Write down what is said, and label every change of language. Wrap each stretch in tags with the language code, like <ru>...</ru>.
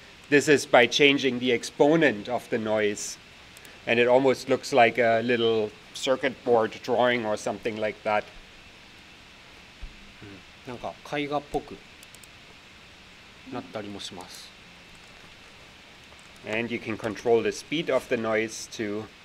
<en>This is by changing the exponent of the noise, and it almost looks like a little circuit board drawing or something like that.</en> <ja>なんか絵画っぽくなったりもします。</ja> <en>And you can control the speed of the noise too.</en>